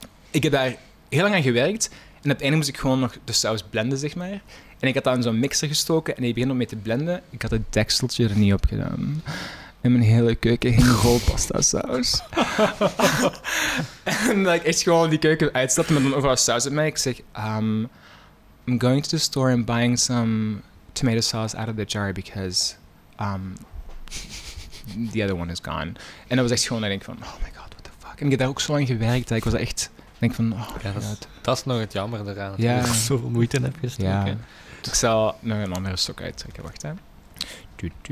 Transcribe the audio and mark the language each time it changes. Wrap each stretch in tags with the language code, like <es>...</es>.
<nl>Ik heb daar heel lang aan gewerkt en uiteindelijk moest ik gewoon nog de saus blenden, zeg maar. En ik had daar in zo'n mixer gestoken en ik begin om mee te blenden. Ik had het dekseltje er niet op gedaan. In mijn hele keuken ging gewoon pasta saus. En dat ik echt gewoon die keuken uitstapte met een overal saus op mij. Ik zeg,</nl> <en>I'm going to the store and buying some tomato sauce out of the jar because the other one is gone.</en> <nl>En dat was echt gewoon, ik denk van,</nl> <en>oh my god, what the fuck.</en> <nl>En ik heb daar ook zo lang gewerkt. Ik was echt, denk van,</nl> <en>oh my god.</en> <nl>Dat is nog het jammer eraan. Ja. Dat ik zoveel moeite heb gestoken. Ja. Dus ik zal nog een andere stok uittrekken. Wacht, hè. Do.</nl>